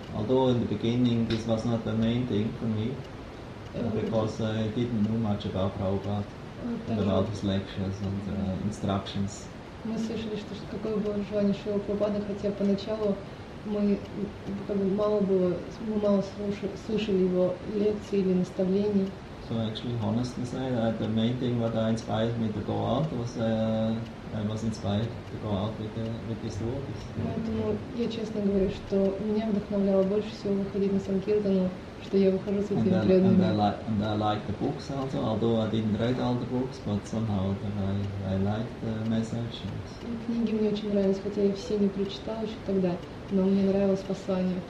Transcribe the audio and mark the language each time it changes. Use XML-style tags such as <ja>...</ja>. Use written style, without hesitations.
<en>Although in the beginning this was not the main thing for me, because I didn't know much about Prabhupada. And about his lectures and instructions.</en> <ru>Мы слышали, что какое было желание Шрилы Прабхупады, хотя поначалу мы как бы мало было, мы мало слышали его лекции или наставлений.</ru> <en>So actually, honestly said, the main thing that inspired me to go out was I was inspired to go out with his devotees.</en> <ru>Поэтому я честно говорю, что меня вдохновляло больше всего выходить на Санкиртану, что я выхожу с этими преданными.</ru> <en>And I like the books also, although I didn't read all the books, but somehow I like the message.</en> <ru>Книги мне очень нравились, хотя я все не прочитала еще тогда, но мне нравилось послание.</ru>